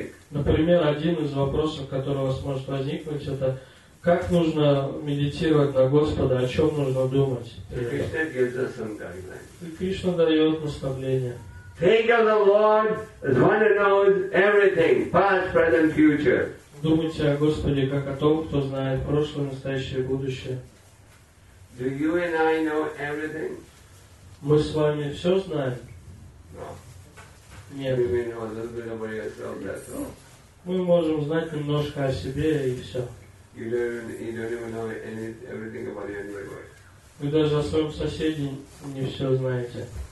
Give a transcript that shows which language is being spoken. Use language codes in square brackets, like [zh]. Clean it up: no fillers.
[ru] Например, один из вопросов, который у вас может возникнуть, это как нужно медитировать на Господа, о чем нужно думать. И Кришна дает наставление. [en] Think of the Lord as one who knows everything, past, present, future. [ru] Думайте о Господе как о том, кто знает прошлое, настоящее, будущее. [en] Do you and I know everything? [ru] Мы с вами все знаем? [en] No. [ru] Нет. [en] You may know a little bit about yourself, that's all. [ru] Мы можем знать немножко о себе и все. [en] You don't even know everything about your neighbor. [ru] Вы даже о своем соседе не все знаете.